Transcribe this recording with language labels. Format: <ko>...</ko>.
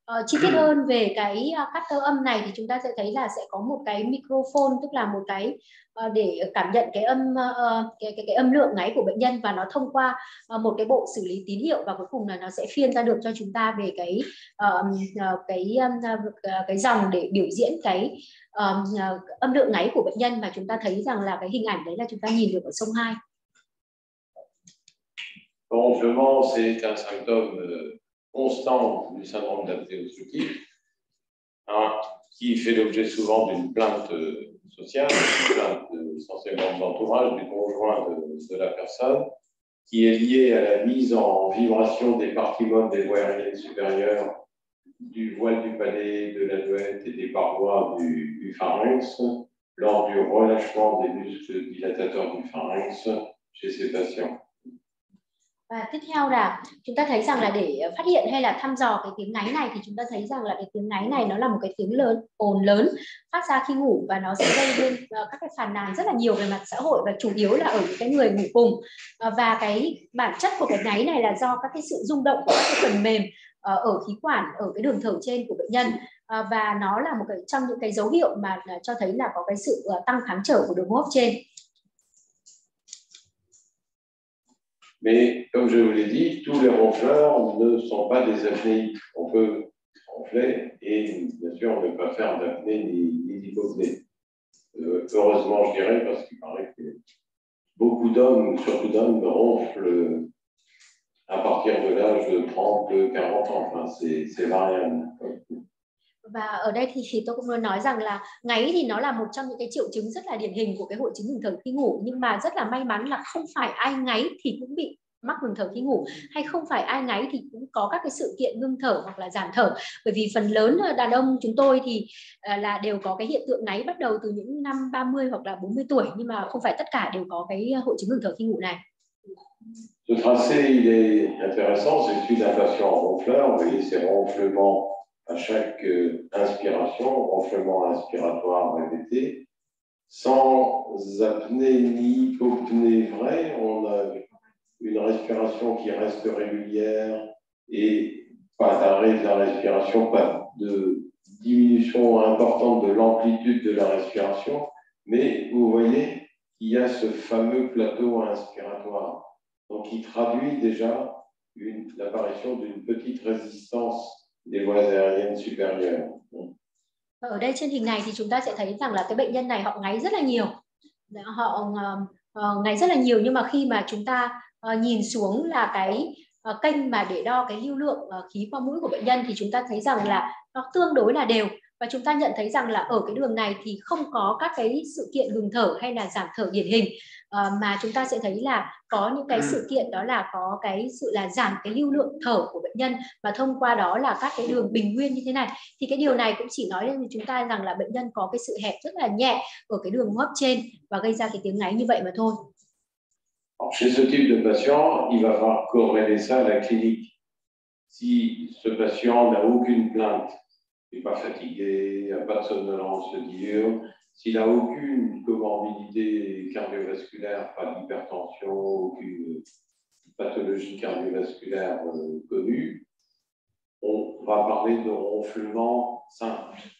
<vi>Chi tiết hơn về cái cutter âm này thì chúng ta sẽ thấy là sẽ có một cái microphone, tức là một cái để cảm nhận cái âm lượng ngáy của bệnh nhân, và nó thông qua một cái bộ xử lý tín hiệu, và cuối cùng là nó sẽ phiên ra được cho chúng ta về cái dòng để biểu diễn cái âm lượng ngáy của bệnh nhân, và chúng ta thấy rằng là cái hình ảnh đấy là chúng ta nhìn được ở sông 2.</vi> <fr>Ronflement, c'est un symptôme constant du syndrome d'apnée obstructive, hein, qui fait l'objet souvent d'une plainte sociale, une plainte essentiellement de l'entourage, du conjoint de la personne, qui est liée à la mise en vibration des parties molles des voies aériennes supérieures, du voile du palais, de la douette et des parois du pharynx, lors du relâchement des muscles dilatateurs du pharynx chez ces patients.</fr> <vi>Và tiếp theo là chúng ta thấy rằng là để phát hiện hay là thăm dò cái tiếng ngáy này, thì chúng ta thấy rằng là cái tiếng ngáy này nó là một cái tiếng lớn, ồn lớn phát ra khi ngủ, và nó sẽ gây nên các cái phàn nàn rất là nhiều về mặt xã hội, và chủ yếu là ở những cái người ngủ cùng. Và cái bản chất của cái ngáy này là do các cái sự rung động của các cái phần mềm ở khí quản, ở cái đường thở trên của bệnh nhân, và nó là một cái trong những cái dấu hiệu mà cho thấy là có cái sự tăng kháng trở của đường hô hấp trên.</vi> <fr>Mais comme je vous l'ai dit, tous les ronfleurs ne sont pas des apnéiques. On peut ronfler et bien sûr ne pas faire d'apnée ni d'hypopnée. Heureusement, je dirais, parce qu'il paraît que beaucoup d'hommes, surtout d'hommes, ronflent à partir de l'âge de 30, 40 ans. Enfin, c'est variable.</fr> <vi>Và ở đây thì tôi cũng muốn nói rằng là ngáy thì nó là một trong những cái triệu chứng rất là điển hình của cái hội chứng ngừng thở khi ngủ, nhưng mà rất là may mắn là không phải ai ngáy thì cũng bị mắc ngừng thở khi ngủ, hay không phải ai ngáy thì cũng có các cái sự kiện ngưng thở hoặc là giảm thở, bởi vì phần lớn đàn ông chúng tôi thì là đều có cái hiện tượng ngáy bắt đầu từ những năm 30 hoặc là 40 tuổi, nhưng mà không phải tất cả đều có cái hội chứng ngừng thở khi ngủ này.</vi> <fr>Ce tracé, il est intéressant, c'est une impression en ronfleur, vous voyez ces ronflements à chaque inspiration, ronflement inspiratoire répété, sans apnée ni hypopnée vraie, on a une respiration qui reste régulière et pas d'arrêt de la respiration, pas de diminution importante de l'amplitude de la respiration, mais vous voyez qu'il y a ce fameux plateau inspiratoire Donc, il traduit déjà l'apparition d'une petite résistance des voies aériennes supérieures.</fr> <vi>Ở đây trên hình này thì chúng ta sẽ thấy rằng là cái bệnh nhân này họ ngáy rất là nhiều. Họ ngáy rất là nhiều, nhưng mà khi mà chúng ta nhìn xuống là cái kênh mà để đo cái lưu lượng khí qua mũi của bệnh nhân thì chúng ta thấy rằng là nó tương đối là đều. Và chúng ta nhận thấy rằng là ở cái đường này thì không có các cái sự kiện ngừng thở hay là giảm thở điển hình. Mà chúng ta sẽ thấy là có những cái sự kiện đó là có cái sự là giảm cái lưu lượng thở của bệnh nhân và thông qua đó là các cái đường bình nguyên như thế này. Thì cái điều này cũng chỉ nói lên với chúng ta rằng là bệnh nhân có cái sự hẹp rất là nhẹ ở cái đường hô hấp trên và gây ra cái tiếng ngáy như vậy mà thôi.</vi> <fr>Chez ce type de patient, il va falloir corréler ça à la clinique. Si ce patient n'a aucune plainte, n'est pas fatigué, n'a pas de somnolence diurne, s'il n'a aucune comorbidité cardiovasculaire, pas d'hypertension, aucune pathologie cardiovasculaire connue, on va parler de ronflement simple.</fr>